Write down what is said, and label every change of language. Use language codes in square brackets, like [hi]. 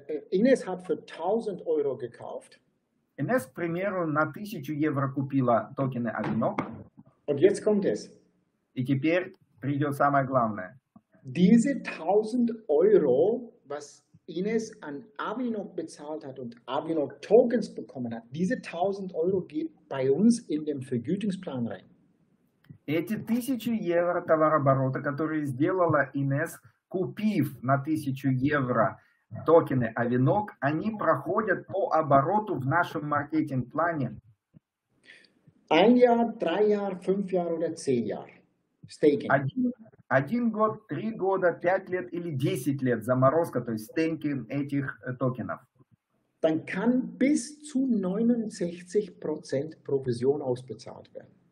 [de] Инес hat für 1000 Euro gekauft. [ru] Инес, к примеру, на 1000 евро купила токены Avinok. [de] Und jetzt kommt es. [ru] И теперь придет самое главное. [de] Diese 1000 Euro, was Ines an Avinok bezahlt hat und Avinok Tokens bekommen hat, diese 1000 Euro geht bei uns in den Vergütungsplan rein. [ru] Эти 1000 евро товарооборота, которые сделала Инес, купив на 1000 евро токены Avinok, они проходят по обороту в нашем маркетинг-плане. [de] Ein Jahr, drei Jahre, fünf Jahre oder zehn Jahre. [en] Staking. [ru] Один год, три года, пять лет или десять лет заморозка, то есть стейкинг этих токенов. [de] Dann kann bis zu 69% Provision ausbezahlt werden.